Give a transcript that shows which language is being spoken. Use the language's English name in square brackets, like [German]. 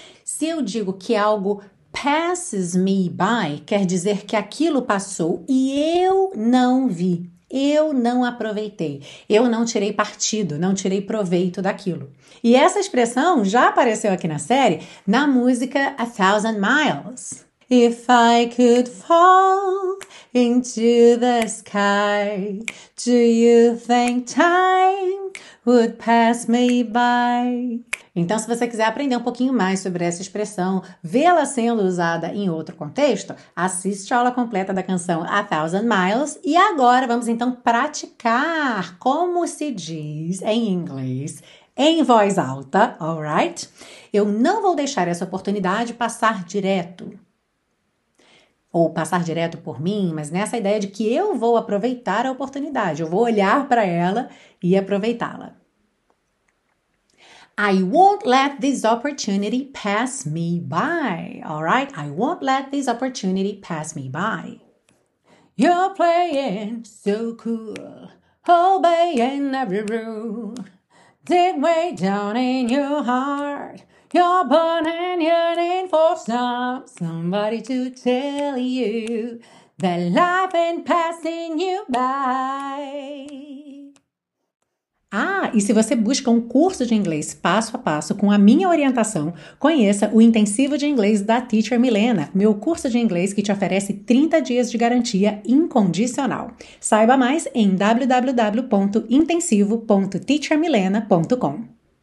[Portuguese] Se eu digo que algo [English] passes me by, [Portuguese] quer dizer que aquilo passou e eu não vi, eu não aproveitei, eu não tirei partido, não tirei proveito daquilo. E essa expressão já apareceu aqui na série, na música A Thousand Miles. [English] If I could fall into the sky, do you think time would pass me by? [Portuguese] Então, se você quiser aprender um pouquinho mais sobre essa expressão, vê-la sendo usada em outro contexto, assiste a aula completa da canção A Thousand Miles. E agora vamos então praticar como se diz em inglês, em voz alta, alright? Eu não vou deixar essa oportunidade passar direto. Ou passar direto por mim, mas nessa ideia de que eu vou aproveitar a oportunidade. Eu vou olhar para ela e aproveitá-la. [English] I won't let this opportunity pass me by, alright? I won't let this opportunity pass me by. You're playing so cool, obeying every rule. Deep way down in your heart, you're burning, yearning for somebody to tell you that life ain't passing you by. [Portuguese] Ah, e se você busca um curso de inglês passo a passo com a minha orientação, conheça o Intensivo de Inglês da Teacher Milena, meu curso de inglês que te oferece 30 dias de garantia incondicional. Saiba mais em www.intensivo.teachermilena.com.